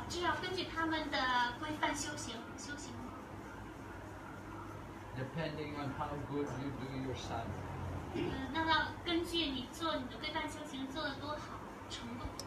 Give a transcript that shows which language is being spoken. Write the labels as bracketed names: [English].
[Chinese] 至少根据他们的规范修行。 [English] Depending on how good you do your sadhana. [Chinese] 那要根据你做你的规范修行做得多好程度。